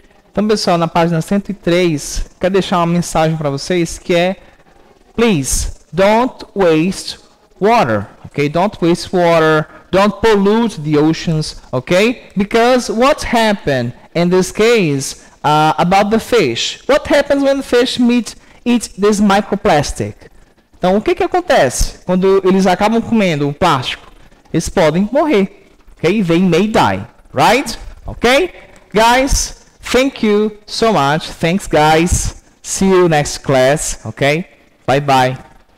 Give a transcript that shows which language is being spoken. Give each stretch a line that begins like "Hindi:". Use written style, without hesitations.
Portuguese: Então, pessoal, na página 103, quero deixar uma mensagem para vocês que é
English: please, don't waste water, ok? Don't waste water, don't pollute the oceans, ok? Because what happened in this case, about the fish. What happens when the fish eat this microplastic?
Portuguese: Então, o que que acontece quando eles acabam comendo um plástico? Eles podem morrer.
English: Okay? They may die. Right? Okay? Guys, thank you so much. Thanks, guys. See you next class. Okay? Bye-bye.